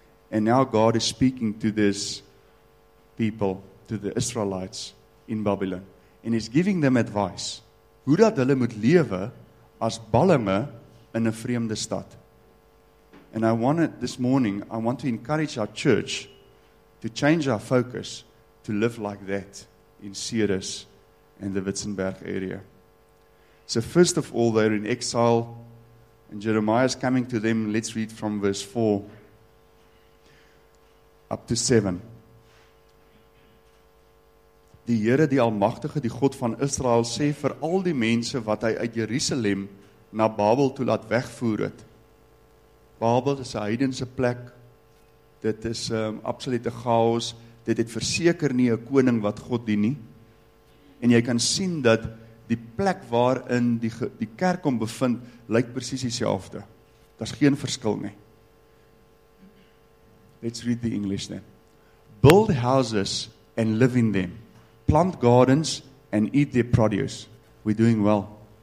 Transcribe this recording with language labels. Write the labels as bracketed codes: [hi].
[en] And now God is speaking to this people, to the Israelites in Babylon. And he's giving them advice. [af] Hoe dat hulle moet lewe as ballinge in 'n vreemde stad. [en] And I want to encourage our church to change our focus to live like that in Ceres and the Witzenberg area. So first of all, they're in exile. And Jeremiah is coming to them. Let's read from verse 4 up to 7. [af] Die Here, die Almagtige, die God van Israel, sê vir al die mense wat hy uit Jerusalem na Babel toe laat wegvoer het. Babel is 'n heidense plek. Dit is absolute chaos. Dit het verseker nie 'n koning wat God dien nie. En jy kan sien dat die plek waarin die kerk hom bevind, lyk presies dieselfde. Daar's geen verskil nie. [en] Let's read the English then. Build houses and live in them. Plant gardens and eat their produce. We're doing well.